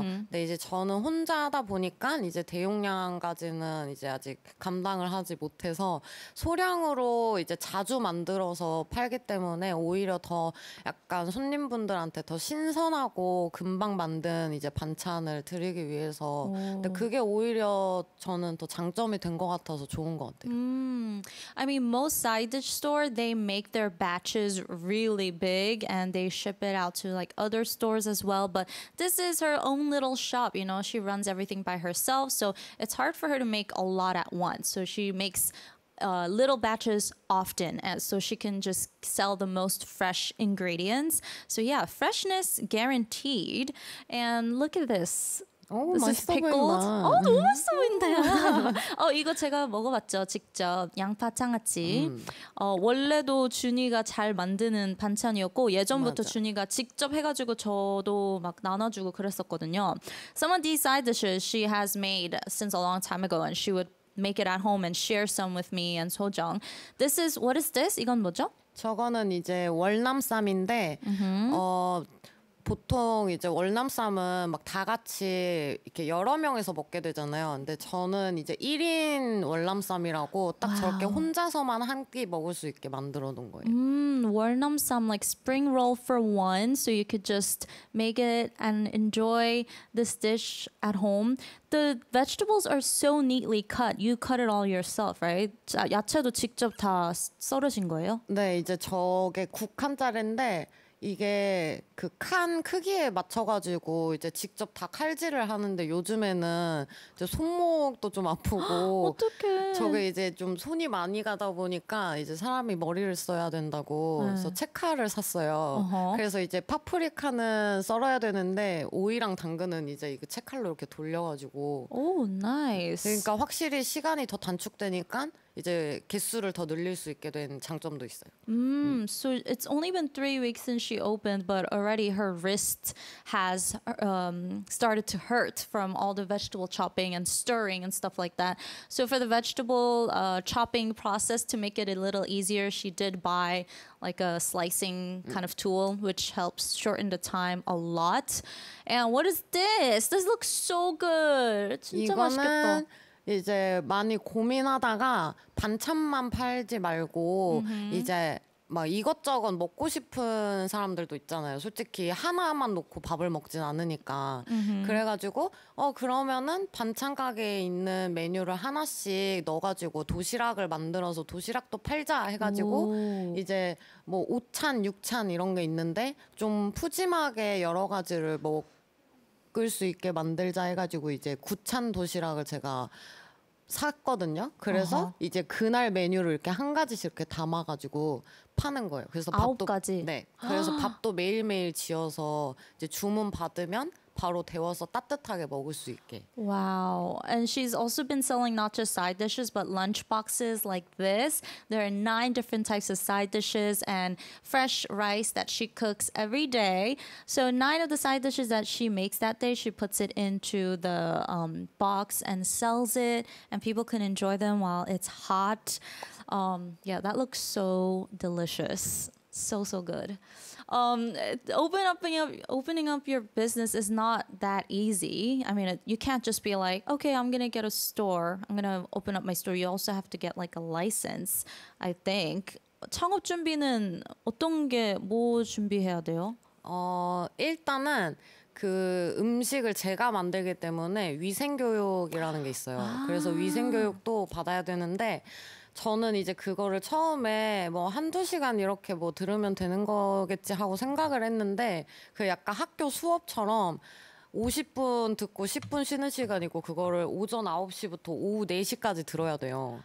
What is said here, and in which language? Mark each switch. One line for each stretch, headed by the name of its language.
Korean: 근데 이제 저는 혼자 하다 보니까 이제 대용량까지는 이제 아직 감당을 하지 못해서 소량으로 이제 자주 만들어서 팔기 때문에 오히려 더 약간 손님분들한테 더 신선하고 금방 만든 이제 반찬을 드리기 위해서 근데 그게 오히려 저는 더 장점이 된 것 같아서 좋은 것 같아요.
English: I mean, most side dish store, they make their batch. Which is really big and they ship it out to like other stores as well, but this is her own little shop, you know, she runs everything by herself, so it's hard for her to make a lot at once, so she makes little batches often as so she can just sell the most fresh ingredients. So yeah, freshness guaranteed. And look at this. This is pickled.
Korean: 너무 맛있어 보인대요. 이거 제가 먹어봤죠. 직접 양파 장아찌. 원래도 준이가 잘 만드는 반찬이었고 예전부터 준이가 직접 해가지고 저도 막 나눠주고 그랬었거든요. Some of these side dishes she has made since a long time ago, and she would make it at home and share some with me and Sojung.
English: This is what is this?
Korean: 이건 뭐죠? 저거는 이제 월남쌈인데. Mm-hmm. 보통 이제 월남쌈은 막 다 같이 이렇게 여러 명에서 먹게 되잖아요. 근데 저는 이제 1인 월남쌈이라고 딱 와우. 저렇게 혼자서만 한 끼 먹을 수 있게 만들어 놓은 거예요.
English: 월남쌈 like spring roll for one, so you could just make it and enjoy this dish at home. The vegetables are so neatly cut. You cut it all yourself, right?
Korean: 야채도 직접 다 썰으신 거예요? 네, 이제 저게 9칸짜리인데 이게 그 칸 크기에 맞춰가지고 이제 직접 다 칼질을 하는데 요즘에는 이제 손목도 좀 아프고 어떡해. 저게 이제 좀 손이 많이 가다 보니까 이제 사람이 머리를 써야 된다고 그래서 채칼을 샀어요. 그래서 이제 파프리카는 썰어야 되는데 오이랑 당근은 이제 이거 채칼로 이렇게 돌려가지고 오 나이스. 그러니까 확실히 시간이 더 단축되니까 이제 개수를 더 늘릴 수 있게 된 장점도 있어요.
English: So it's only been 3 weeks since she opened, but already her wrist has started to hurt from all the vegetable chopping and stirring and stuff like that. So for the vegetable chopping process to make it a little easier, she did buy like a slicing kind of tool, which helps shorten the time a lot. And what is this? This looks so good.
Korean: 진짜 맛있겠다. 이제 많이 고민하다가 반찬만 팔지 말고 이제 막 이것저것 먹고 싶은 사람들도 있잖아요. 솔직히 하나만 놓고 밥을 먹진 않으니까. 그래가지고 그러면은 반찬 가게에 있는 메뉴를 하나씩 넣어가지고 도시락을 만들어서 도시락도 팔자 해가지고 이제 뭐 5찬, 6찬 이런 게 있는데 좀 푸짐하게 여러 가지를 끌 수 있게 만들자 해가지고 이제 9찬 도시락을 제가 샀거든요. 그래서 이제 그날 메뉴를 이렇게 한 가지씩 이렇게 담아가지고 파는 거예요. 그래서 9가지. 네. 그래서 밥도 매일매일 지어서 이제 주문 받으면 바로 데워서 따뜻하게 먹을 수 있게. Wow.
English: And she's also been selling not just side dishes but lunch boxes like this. There are 9 different types of side dishes and fresh rice that she cooks every day. So 9 of the side dishes that she makes that day, she puts it into the box and sells it and people can enjoy them while it's hot. Yeah, that looks so delicious. So so good. Opening up your business is not that easy. I mean, you can't just be like, okay, I'm gonna get a store. I'm gonna open up my store. You also have to get like a license, I think.
Korean: 창업 준비는 어떤 게 뭐 준비해야 돼요? 일단은 그 음식을 제가 만들기 때문에 위생 교육이라는 게 있어요. 그래서 위생 교육도 받아야 되는데. 저는 이제 그거를 처음에 뭐 한두 시간 이렇게 뭐 들으면 되는 거겠지 하고 생각을 했는데 그 약간 학교 수업처럼 50분 듣고 10분 쉬는 시간이고 그거를 오전 9시부터 오후 4시까지 들어야 돼요.